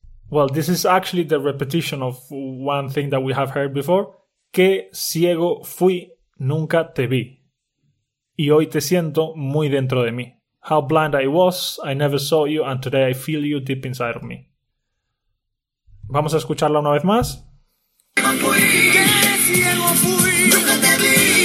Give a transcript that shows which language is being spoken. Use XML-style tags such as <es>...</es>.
<en>Well, this is actually the repetition of one thing that we have heard before.</en> <es>Qué ciego fui, nunca te vi. Y hoy te siento muy dentro de mí.</es> <en>How blind I was, I never saw you, and today I feel you deep inside of me.</en> <es>Vamos a escucharla una vez más. Qué ciego fui, nunca te vi.</es>